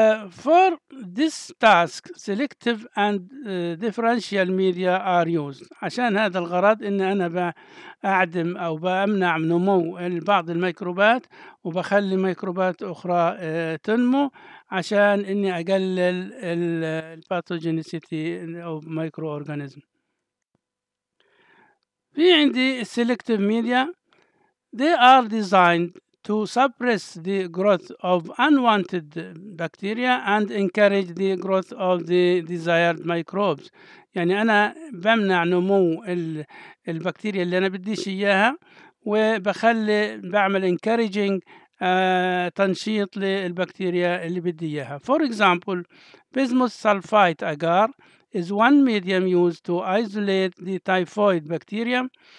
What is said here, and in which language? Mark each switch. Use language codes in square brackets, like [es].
[en] For this task, selective and differential media are used. [ar] عشان هذا الغرض إن أنا بأعدم أو بأمنع نمو بعض الميكروبات وبخلي ميكروبات أخرى تنمو عشان إني أقلل الباثوجينيسيتي أو مايكرو أورجانيزم. في عندي selective media. [en] They are designed to suppress the growth of unwanted bacteria and encourage the growth of the desired microbes. [ar] يعني أنا بمنع نمو البكتيريا اللي أنا بديش إياها وبخلي بعمل encouraging تنشيط للبكتيريا اللي بدي إياها. [en] For example, bismuth sulfite agar is one medium used to isolate the typhoid bacteria.